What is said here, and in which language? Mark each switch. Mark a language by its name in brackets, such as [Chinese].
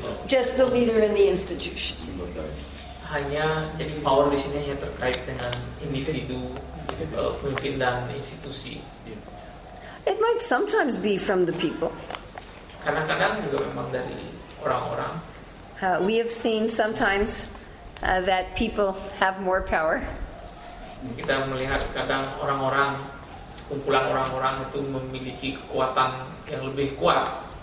[English] just the leader in the institution? [Indonesian] Hanya jadi power di sini hanya terkait dengan individu, pemimpin dan institusi. [English] It might sometimes be from the people. [Indonesian] Kadang-kadang juga memang dari orang-orang. [English] We have seen sometimes that people have more power. [Indonesian] Kita melihat kadang orang-orang, sekumpulan orang-orang itu memiliki kekuatan yang lebih kuat.